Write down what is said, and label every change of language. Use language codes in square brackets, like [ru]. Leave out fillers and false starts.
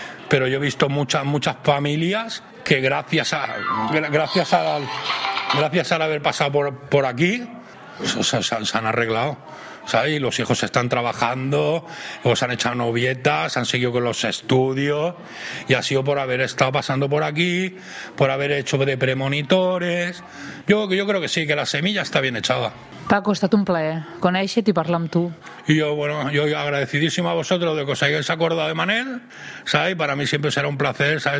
[es] Pero yo he visto muchas familias que gracias al haber pasado por aquí, se han arreglado. ¿Sabes? Y los hijos están trabajando, o se han echado novietas, han seguido con los estudios, y ha sido por haber estado pasando por aquí, por haber hecho de premonitores. Yo creo que sí, que la semilla está bien echada. [ca] Paco, ha estat un plaer conèixer-te i parlar amb tu. [es] Y yo, bueno, yo agradecidíssim a vosotros de que os hayáis acordado de Manel, ¿sabes? Y para mí siempre será un placer, ¿sabes?